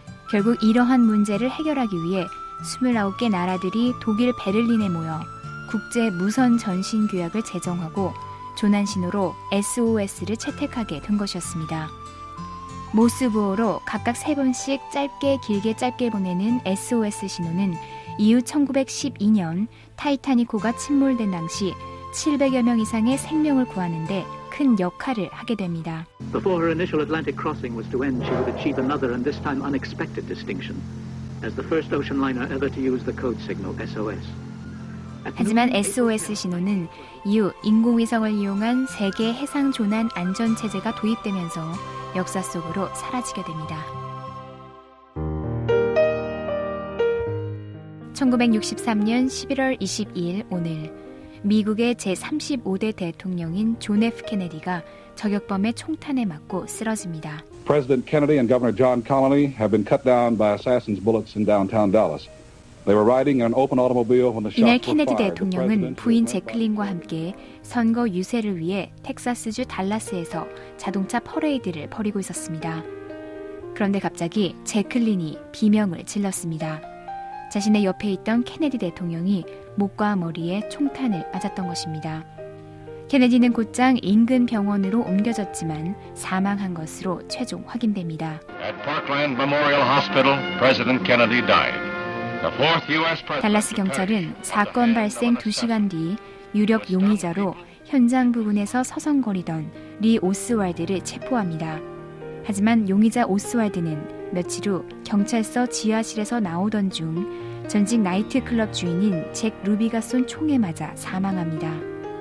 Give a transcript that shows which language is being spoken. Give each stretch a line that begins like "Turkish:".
Korean: 결국 이러한 문제를 해결하기 위해 29개 나라들이 독일 베를린에 모여 국제 무선 전신 규약을 제정하고 조난 신호로 SOS를 채택하게 된 것이었습니다. 모스 부호로 각각 3번씩 짧게 길게 짧게 보내는 SOS 신호는 이후 1912년 타이타닉호가 침몰된 당시 700여 명 이상의 생명을 구하는 데 큰 역할을 하게 됩니다.
English: Before her initial Atlantic crossing was to end, she would achieve another and this time unexpected distinction as the first ocean liner ever to use the code signal SOS.
Korean: 하지만 SOS 신호는 이후 인공위성을 이용한 세계 해상 조난 안전체제가 도입되면서 역사 속으로 사라지게 됩니다. 1963년 11월 22일 오늘 미국의 제35대 대통령인 존 F. 케네디가 저격범의 총탄에 맞고 쓰러집니다.
English: President Kennedy and Governor John Connally have been cut down by assassin's bullets in downtown Dallas. They were riding in an open automobile when the shots were fired.
Korean: 이날 케네디 대통령은 부인 제클린과 함께 선거 유세를 위해 텍사스주 달라스에서 자동차 퍼레이드를 벌이고 있었습니다. 그런데 갑자기 제클린이 비명을 질렀습니다. 자신의 옆에 있던 케네디 대통령이 목과 머리에 총탄을 맞았던 것입니다. 케네디는 곧장 인근 병원으로 옮겨졌지만 사망한 것으로 최종 확인됩니다.
English: At Parkland Memorial Hospital, President Kennedy died. The fourth U.S. president.
Korean: 달라스 경찰은 사건 발생 2시간 뒤 유력 용의자로 현장 부근에서 서성거리던 리 오스왈드를 체포합니다. 하지만 용의자 오스왈드는 며칠 후 경찰서 지하실에서 나오던 중 전직 나이트클럽 주인인 잭 루비가 쏜 총에 맞아 사망합니다.